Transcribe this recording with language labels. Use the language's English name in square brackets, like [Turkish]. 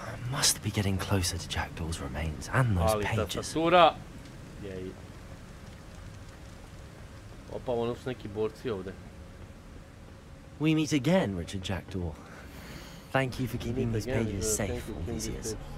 [English] Must be getting closer to Jackdaw's remains and those [Serbian] ali [English] pages. [Serbian] Ali tastatura. Jej. Opa, ono su neki borci ovde. [English] We meet again, Richard Jackdaw. Thank you for keeping these pages safe all these years.